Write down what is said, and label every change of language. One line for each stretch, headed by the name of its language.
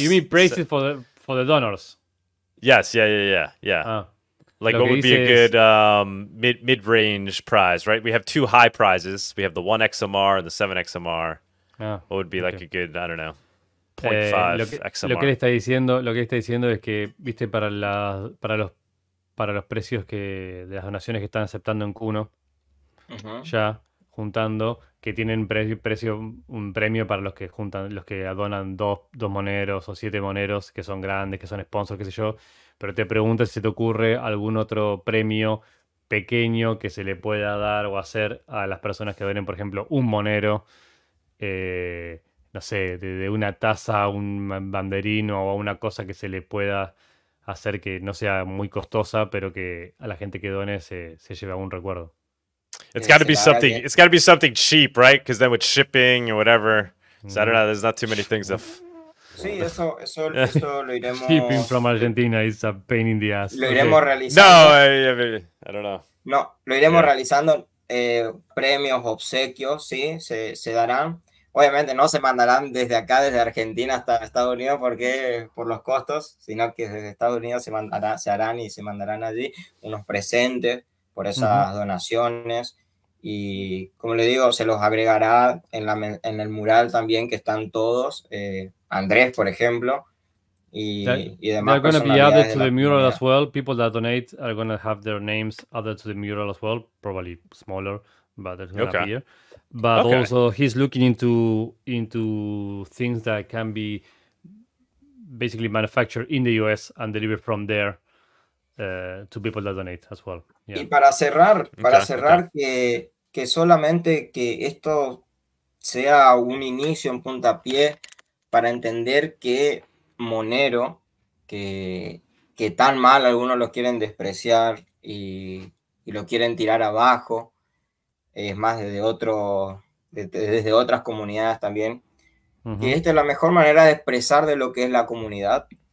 English: You mean braces for the donors? Yes, yeah. Like what would be a good mid-range prize, right? We have two high prizes. We have the 1XMR and the 7XMR. What would be like a good, I don't know, 0.5 XMR?
Spanish: Lo que él está diciendo es que, viste, para los precios que de las donaciones que están aceptando en Kuno, ya juntando, que tienen un premio para los que juntan, los que donan dos moneros o siete moneros, que son grandes, que son sponsors, qué sé yo. Pero te pregunto si se te ocurre algún otro premio pequeño que se le pueda dar o hacer a las personas que donen, por ejemplo, un monero, no sé, de una taza a un banderino o a una cosa que se le pueda hacer que no sea muy costosa, pero que a la gente que done se lleve a un recuerdo.
English: It's got to be something cheap, right? Because then with shipping or whatever. So I don't know, there's not too many things of...
Spanish: Sí, eso lo iremos...
English: Shipping from Argentina is a pain in the ass.
Spanish: Lo iremos realizando.
English: No, I don't know.
Spanish: No, lo iremos realizando. Premios, obsequios, sí, se darán. Obviamente no se mandarán desde acá, desde Argentina hasta Estados Unidos, porque por los costos, sino que desde Estados Unidos se mandarán allí unos presentes por esas donaciones. Y como le digo, se los agregará en el mural también, que están todos, Anhdres, por ejemplo, y demás.
English: They're going to be added to the mural as well. People that donate are going to have their names added to the mural as well, probably smaller, but they're going to appear. But also he's looking into things that can be basically manufactured in the US and delivered from there to people that donate as well.
Spanish: Yeah. Y para cerrar que solamente que esto sea un inicio, un puntapié para entender que Monero, que tan mal algunos lo quieren despreciar y lo quieren tirar abajo, es más desde otras comunidades también, que esta es la mejor manera de expresar de lo que es la comunidad,